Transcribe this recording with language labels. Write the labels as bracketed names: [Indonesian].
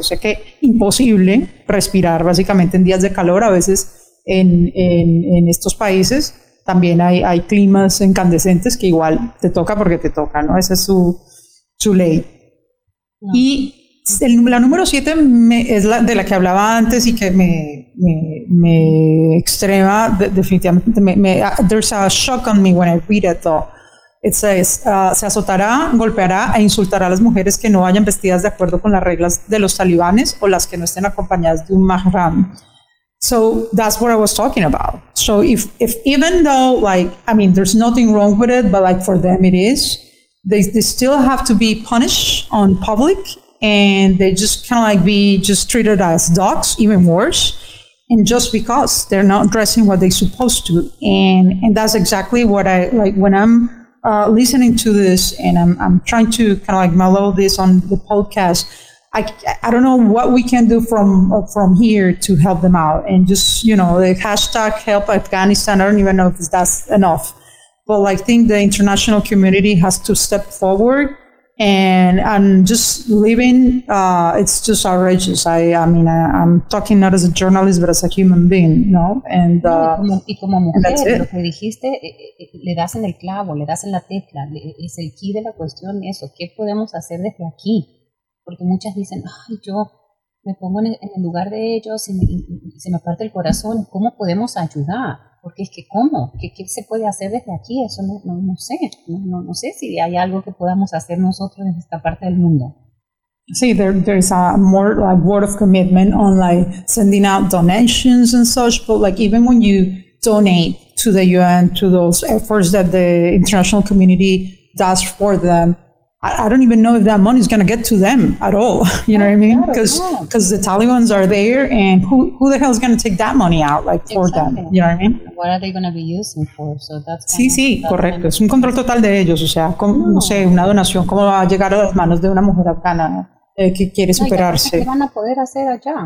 [Spanish] O sea que imposible respirar básicamente en días de calor, a veces en estos países. También hay climas incandescentes que igual te toca porque te toca, ¿no? Esa es su ley. No. Y la número 7 es la de la que hablaba antes y que me extrema, definitivamente. [English] There's a shock on me when I read it all. It says, [Spanish] se azotará, golpeará e insultará a las mujeres que no vayan vestidas de acuerdo con las reglas de los talibanes o las que no estén acompañadas de un mahram. [English] So that's what I was talking about. So if even though, like, I mean, there's nothing wrong with it, but like for them it is, they still have to be punished on public, and they just kind of like be just treated as dogs, even worse, and just because they're not dressing what they're supposed to. And that's exactly what I, like, when I'm listening to this and I'm trying to kind of like mellow this on the podcast, I don't know what we can do from here to help them out. And just, you know, the hashtag help Afghanistan, I don't even know if that's enough. But I think the international community has to step forward. And I'm just living, it's just outrageous. I mean, I'm talking not as a journalist, but as a human being, no? And, [Spanish] y como mujer, [English] that's it. [Spanish] Lo que dijiste, le das en el clavo, le das en la tecla. Es el key de la cuestión eso. ¿Qué podemos hacer desde aquí? Porque muchas dicen, ay, yo me pongo en el lugar de ellos y se me parte el corazón. ¿Cómo podemos ayudar? Porque es que, ¿cómo? ¿Qué se puede hacer desde aquí? Eso no sé. No sé si hay algo que podamos hacer nosotros en esta parte del mundo. [English] Sí, there's a more like word of commitment on like sending out donations and such, but like even when you donate to the UN, to those efforts that the international community does for them, I don't even know if that money is going to get to them at all. You know what I mean? Because the Talibans are there, and who the hell is going to take that money out like for exactly. them? You know what I mean? What are they going to be using for? So that's [Spanish] sí, sí, that correcto. Es un control total de ellos. O sea, no sé, una donación, ¿cómo va a llegar a las manos de una mujer afgana que quiere superarse? ¿Qué van a poder hacer allá?